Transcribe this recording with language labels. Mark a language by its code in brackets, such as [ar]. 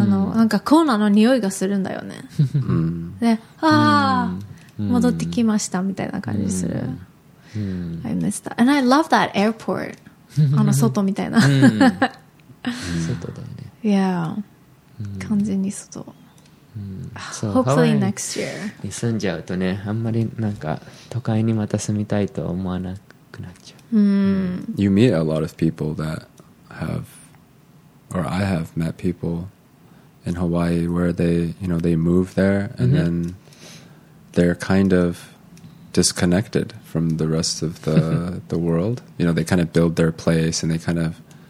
[ja] あの、なんかコーナーの匂いがするんだよね。 Mm. で、ああ、mm. 戻ってきましたみたいな感じする。 Mm. [en] I miss that. And I love that airport. [ja] あの外みたいな。 mm. 外だね。 [en] Yeah.、 [ja] Mm. 完全に外。 [en] So, Hopefully next year. [ja] に住んじゃうとね、あんまりなんか都会にまた住みたいと思わなくなっちゃう。 Mm. Mm. [en] You meet a lot of people that have, or I have met people in Hawaii where they, you know, they move there and mm-hmm. then they're kind of disconnected from the rest of the the world. You know, they kind of build their place and they kind of